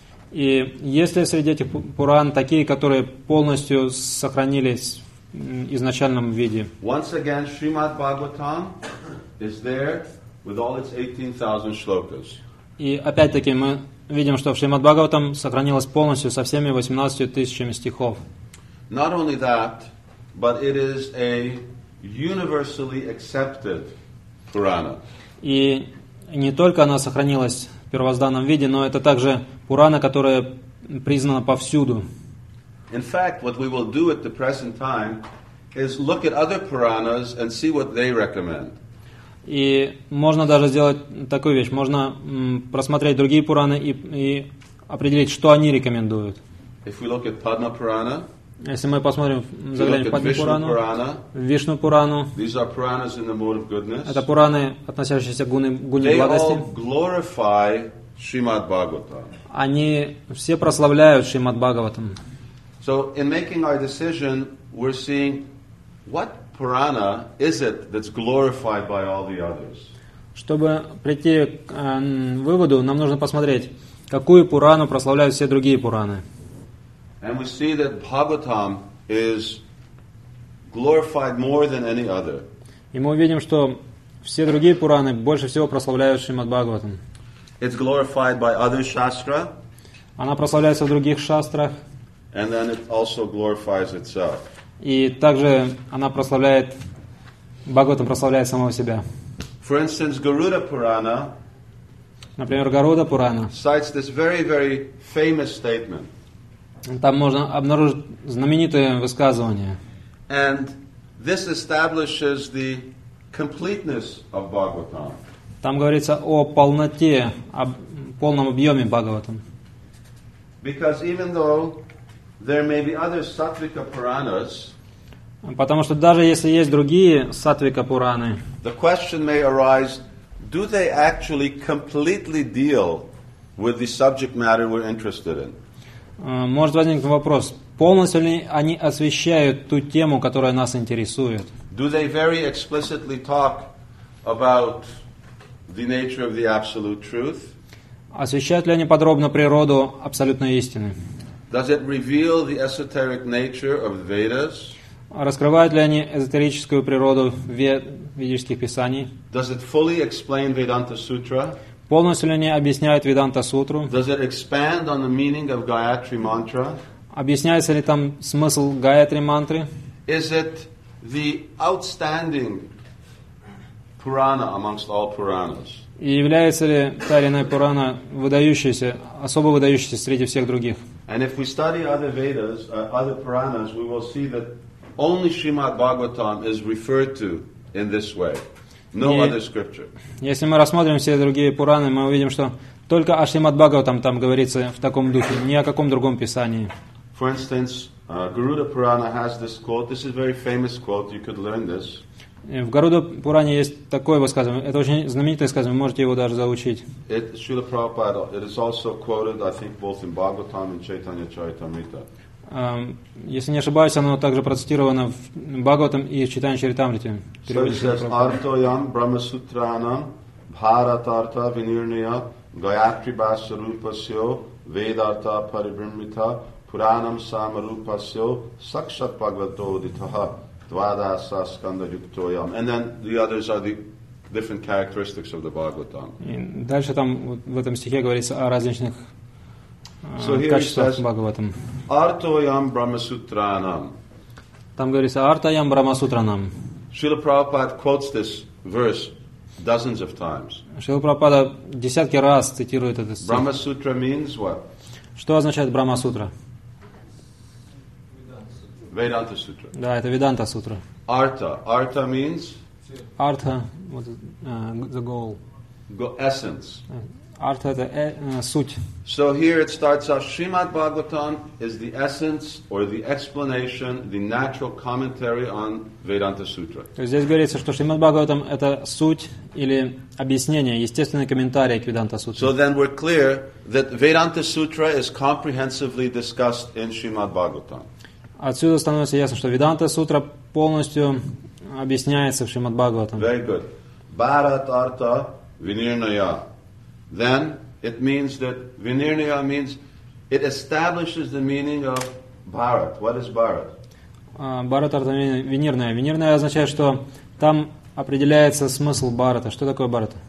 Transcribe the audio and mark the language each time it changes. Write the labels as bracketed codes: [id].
[ru] И есть ли среди этих Пуран такие, которые полностью сохранились в изначальном виде? [en] Once again, Srimad Bhagavatam is there with all its 18,000 shlokas. [ru] И опять-таки мы видим, что в Шримад Бхагаватам сохранилось полностью со всеми 18 тысячами стихов. [en] Not only that, but it is a universally accepted Purana. [ru] И не только она сохранилась в первозданном виде, но это также Пурана, которая признана повсюду. [en] In fact, what we will do at the present time is look at other Puranas and see what they recommend. [ru] И можно даже сделать такую вещь. Можно просмотреть другие Пураны и определить, что они рекомендуют. [en] If we look at Padma Purana, [ru] если мы посмотрим, заглянем в Падму Пурану, [en] Purana, [ru] Вишну Пурану, [en] these are Puranas in the mode of goodness, [ru] это Пураны, относящиеся к гуне благости, [en] they all glorify Shrimad Bhagavatam. [ru] Они все прославляют Шримад Бхагаватам. [en] So in making our decision, we're seeing what Purana is it that's glorified by all the others. [ru] Чтобы прийти к выводу, нам нужно посмотреть, какую Пурану прославляют все другие Пураны. [en] And we see that Bhagavatam is glorified more than any other. [ru] И мы увидим, что все другие Пураны больше всего прославляют Шримад Бхагаватам. [en] It's glorified by other shastra. [ru] Она прославляется в других шастрах. [en] And then it also glorifies itself. [ru] И также она прославляет, Бхагаватам прославляет самого себя. [en] For instance, Garuda Purana, [ru] например, Гаруда Пурана, [en] cites this very, very famous statement. [ru] Там можно обнаружить знаменитое высказывание. [en] And this establishes the completeness of Bhagavatam. [ru] Там говорится о полноте, о полном объеме Бхагаватам. [en] Because even though there may be other sattvika puranas, [ru] потому что даже если есть другие сатвика пураны, [en] the question may arise, do they actually completely deal with the subject matter we're interested in? [ru] Может возникнуть вопрос, полностью ли они освещают ту тему, которая нас интересует? [en] Do they very explicitly talk about the nature of the absolute truth? [ru] Освещают ли они подробно природу абсолютной истины? [en] Does it reveal the esoteric nature of the Vedas? [ru] Раскрывают ли они эзотерическую природу ведических писаний? [en] Does it fully explain Vedanta Sutra? [ru] Полностью ли они объясняют Веданта Сутру? [en] Does it expand on the meaning of Gayatri Mantra? [ru] Объясняется ли там смысл Гаятри мантры? [en] Is it the outstanding Purana amongst all Puranas? [ru] И является ли та или иная Пурана выдающейся, особо выдающейся среди всех других? [en] And if we study other Vedas, other Puranas, we will see that only Srimad Bhagavatam is referred to in this way. No other scripture. [ru] Если мы рассмотрим все другие Пураны, мы увидим, что только о Шримад Бхагаватам там говорится в таком духе, ни о каком другом писании. [en] For instance, Garuda Purana has this quote. This is a very famous quote. You could learn this. [ru] В Гаруда Пуране есть такое высказывание. Это очень знаменитое высказывание. Вы можете его даже заучить. [en] Шрила Прабхупада, it is also quoted, I think, both in Bhagavatam and Chaitanya Charitamrita. [ru] Если не ошибаюсь, оно также процитировано в Бхагаватам и в Чайтанья Чаритамрите. [sa] So it says, Artoyam Brahmasutranam Bharatartha Vinirnaya Gayatri Basarupasyo Vedartha Paribrahmita Puranam Samarupasyo Sakshat Bhagavato Ditaha Dvadasa Skanda Yuktoyam. [en] And then the others are the different characteristics of the Bhagavatam. [ru] Дальше там в этом стихе говорится о различных [sa] Бхагаватам. Artoyam Brahmasutranam. [ru] Там говорится [sa] Artoyam Brahmasutranam. [en] Srila Prabhupada quotes this verse dozens of times. [ru] Srila Prabhupada десятки раз цитирует этот стих. [en] Brahmasutra means what? [ru] Что означает Брахмасутра? [en] Vedanta Sutra. [ru] Да, это Vedanta Sutra. [en] Artha. Artha means? Artha, what is the goal? Essence. [ru] artha это суть. [en] So here it starts off, Srimad Bhagavatam is the essence or the explanation, the natural commentary on Vedanta Sutra. [ru] То есть здесь говорится, что Шримад Бхагаватам это суть или объяснение, естественный комментарий к Веданта Сутре. [en] So then we're clear that Vedanta Sutra is comprehensively discussed in Srimad Bhagavatam. [ru] Отсюда становится ясно, что Веданта Сутра полностью объясняется в Шримад Бхагаватам. [en] Very good. [sa] Bharat Artha Vinirnaya. [en] Then it means that Vinirnaya means it establishes the meaning of Bharat. What is Bharat? [sa] Bharat Artha Vinirnaya. [ru] Vinirnaya означает, что там определяется смысл Bharata. Что такое Bharat?